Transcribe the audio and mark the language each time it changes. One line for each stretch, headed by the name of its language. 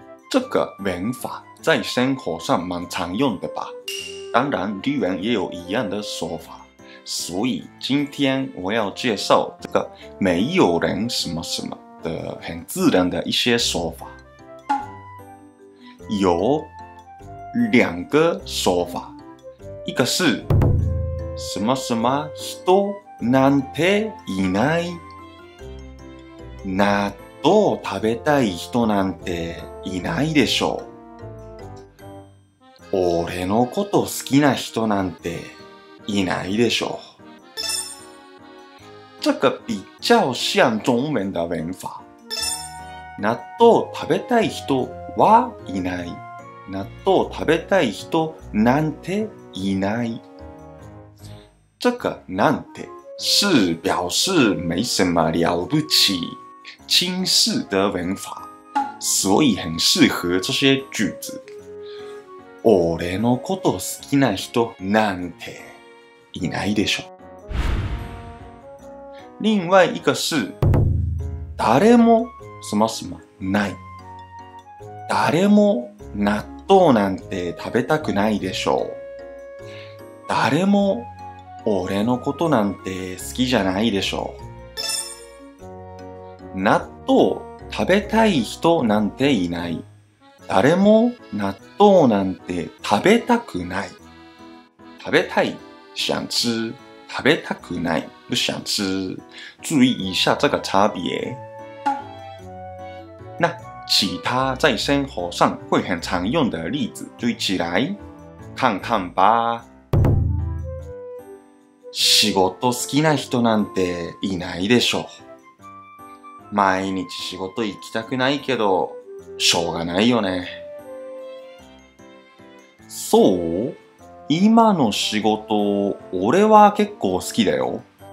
Chinese: 这个文法在生活上蛮常用的吧？当然，日文也有一样的说法。所以今天我要介绍这个没有人什么什么的很自然的一些说法。有两个说法，一个是什么什么人なんていない，
Japanese: 納豆食べたい人なんていないでしょう。俺のこと好きな人なんていないでしょう。
Chinese: 这个比较像中文的文法。
Japanese: 納豆食べたい人はいない。納豆食べたい人なんていない。
Chinese: 这个なんて是表示没什么了不起、轻视的文法，所以很适合这些句子。
Japanese: 俺のこと好きな人なんていないでしょ。
Chinese: 另外一个是誰も什么什么ない。
Japanese: 誰も納豆なんて食べたくないでしょう。誰も俺のことなんて好きじゃないでしょう。納豆食べたい人なんていない。誰も納豆なんて食べたくない。
Chinese: 食べたい、想吃。食べたくない、不想吃。注意一下这个差别。那其他在生活上会很常用的例子堆起来看看吧。
Japanese: 仕事好きな人なんていないでしょう。毎日仕事行きたくないけど、しょうがないよね。そう？今の仕事、俺は結構好きだよ。